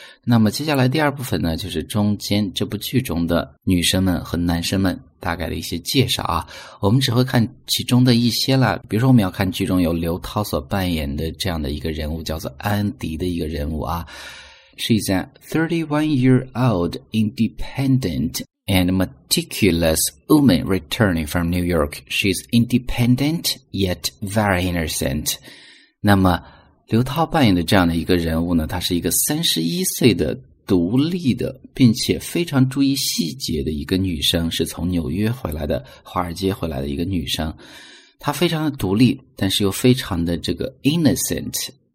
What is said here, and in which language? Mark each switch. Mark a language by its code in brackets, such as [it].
[zh] 那么接下来第二部分呢就是中间这部剧中的女生们和男生们大概的一些介绍啊我们只会看其中的一些啦比如说我们要看剧中有刘涛所扮演的这样的一个人物叫做安迪的一个人物啊 [en] She's a 31-year-old independent and meticulous woman returning from New York. She's independent yet very innocent. [zh] 那么刘涛扮演的这样的一个人物呢他是一个31岁的独立的并且非常注意细节的一个女生是从纽约回来的华尔街回来的一个女生。她非常的独立但是又非常的这个 innocent。